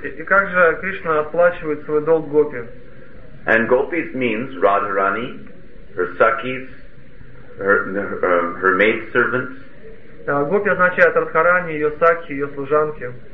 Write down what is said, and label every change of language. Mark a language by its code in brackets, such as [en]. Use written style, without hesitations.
[ru] И как же Кришна оплачивает свой долг гопи? [en] And gopis means Radharani, her sakis, her maid servants. [ru] Гопи означает Радхарани, ее сакхи, ее служанки.